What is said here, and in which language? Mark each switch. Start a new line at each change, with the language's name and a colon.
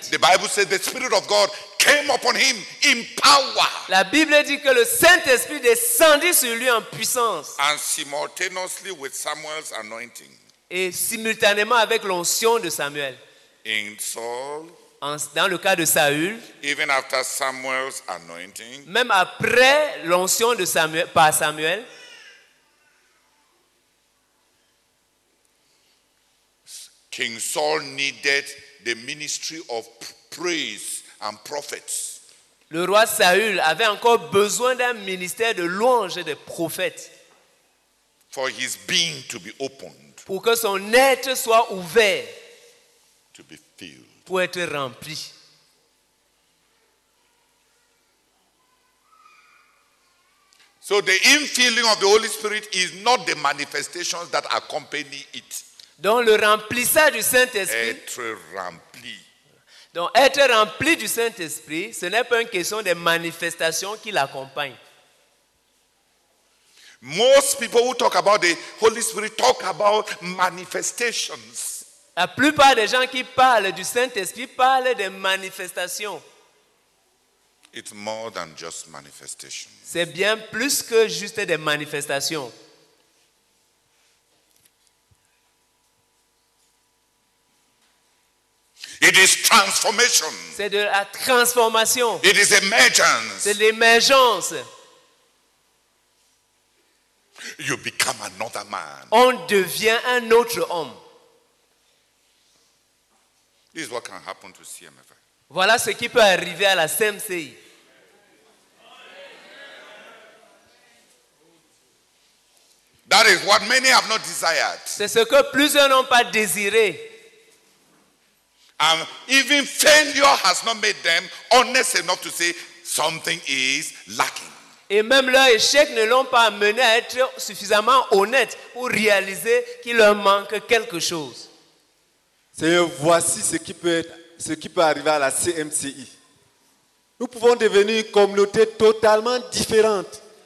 English: the Bible says the Spirit of God came upon him in power.
French: La Bible dit que le Saint-Esprit descendit sur lui en puissance.
English: And simultaneously with Samuel's anointing.
French: Et simultanément avec l'onction de Samuel.
English: In Saul.
French: Dans le cas de Saül.
English: Even after Samuel's anointing.
French: Même après l'onction de Samuel, par Samuel.
English: King Saul needed the ministry of praise. And prophets.
French: Le roi Saül avait encore besoin d'un ministère de louange et de prophètes.
English: For his being to be opened.
French: Pour que son être soit ouvert.
English: to be filled.
French: Pour être rempli.
English: So the infilling of the Holy Spirit is not the manifestations that accompany it.
French: Donc le remplissage du Saint-Esprit. Être rempli. Donc être rempli du Saint-Esprit, ce n'est pas une question des manifestations qui l'accompagnent.
English: Most people who talk about the Holy Spirit talk about manifestations.
French: La plupart des gens qui parlent du Saint-Esprit parlent des manifestations.
English: It's more than just manifestations.
French: C'est bien plus que juste des manifestations.
English: It is transformation.
French: C'est de la transformation.
English: It is emergence.
French: C'est l'émergence.
English: You become another man.
French: On devient un autre homme.
English: This is what can happen to CMFI.
French: Voilà ce qui peut arriver à la CMCI.
English: That is what many have not desired.
French: C'est ce que plusieurs n'ont pas désiré.
English: And even failure has not made them honest enough to say something is lacking.
French: Et même leur échec ne l'ont pas amené à être suffisamment honnête pour réaliser qu'il leur manque quelque chose. Seigneur, voici ce qui peut arriver à la CMCI. Nous pouvons devenir une communauté totalement différente.